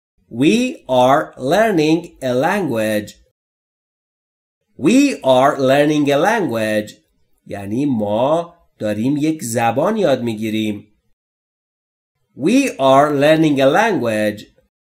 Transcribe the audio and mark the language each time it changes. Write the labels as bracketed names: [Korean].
[English] We are learning a language. We are learning a language. [Persian] یعنی ما داریم یک زبان یاد میگیریم. [English] We are learning a language.